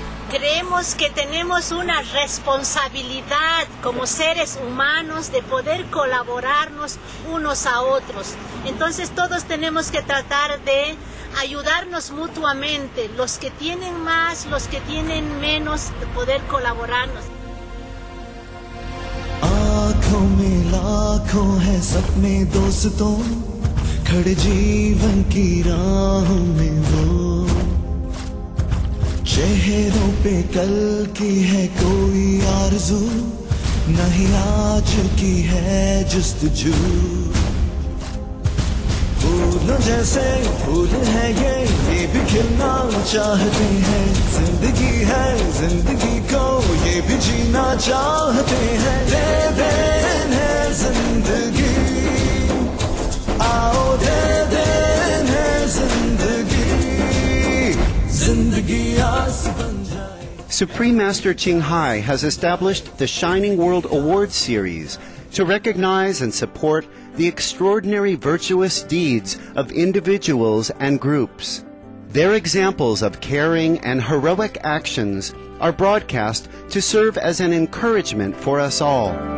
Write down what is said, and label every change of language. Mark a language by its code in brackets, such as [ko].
[es] Creemos que tenemos una responsabilidad como seres humanos de poder colaborarnos unos a otros. Entonces todos tenemos que tratar de ayudarnos mutuamente, los que tienen más, los que tienen menos, de poder colaborarnos. [hi] आंखों में लाखों हैं सपने दोस्तों खड़े जीवन की राह में वो चेहरों पे कल की है कोई आरज़ू नहीं आज की है जस्तजू फूलों जैसे फूल है ये भी खिलना चाहते हैं जिंदगी है जिंदगी को ये भी जीना चाहते हैं दे देन है जिंदगी आओ दे देन है जिंदगी जिंदगी आस बन जाए. [en] Supreme Master Ching Hai has established the Shining World Awards series to recognize and support the extraordinary virtuous deeds of individuals and groups. Their examples of caring and heroic actions are broadcast to serve as an encouragement for us all.